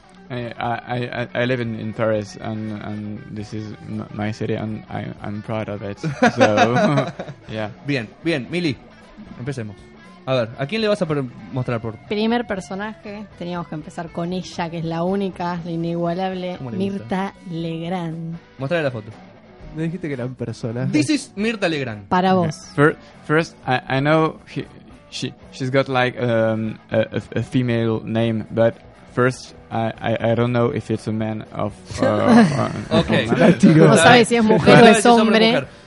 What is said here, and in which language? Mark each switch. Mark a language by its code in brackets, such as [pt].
[en] I live in Paris and this is my city and I'm proud of it. So yeah. [es] Bien, Mili. Empecemos. A ver, ¿a quién le vas a mostrar por? Primer personaje, teníamos que empezar con ella, que es la única, la inigualable Mirtha Legrand. Mostrale la foto. Me dijiste que era un personaje. [en] This is Mirtha Legrand. [es] Para vos. [en] Okay. First I know she's got like a female name, but first I don't know if it's a man of okay. [es] No sabe si es mujer o es hombre.